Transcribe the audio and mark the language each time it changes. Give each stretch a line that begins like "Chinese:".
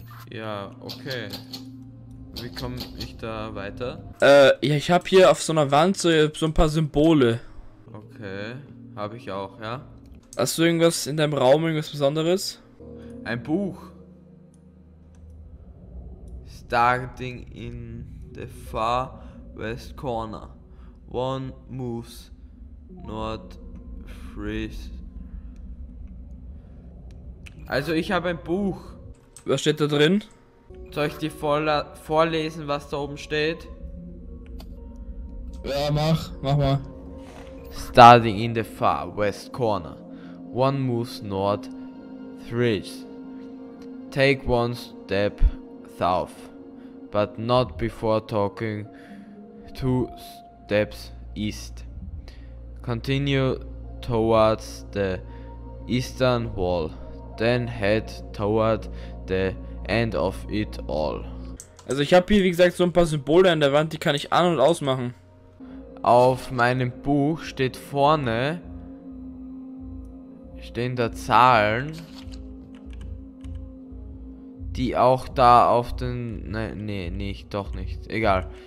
German: Ja, okay. Wie komme ich da weiter? Ja, ich habe hier auf so einer Wand so ein paar Symbole. Okay, habe ich auch, ja. Hast du irgendwas in deinem Raum, irgendwas Besonderes? Ein Buch.
English: Starting in the far west corner. One moves north, freeze.
German: Also, ich habe ein Buch. Was steht da drin? Soll ich dir vorlesen, was da oben steht? Ja, mach mal.
English: Starting in the far west corner. One moves north, thrice. Take one step south, but not before talking two steps east. Continue towards the eastern wall, then head toward the end of it all.
German: Also ich habe hier, wie gesagt, so ein paar Symbole an der Wand, die kann ich an- und ausmachen. Auf meinem Buch steht vorne, stehen da Zahlen, die auch da auf den, nicht, egal.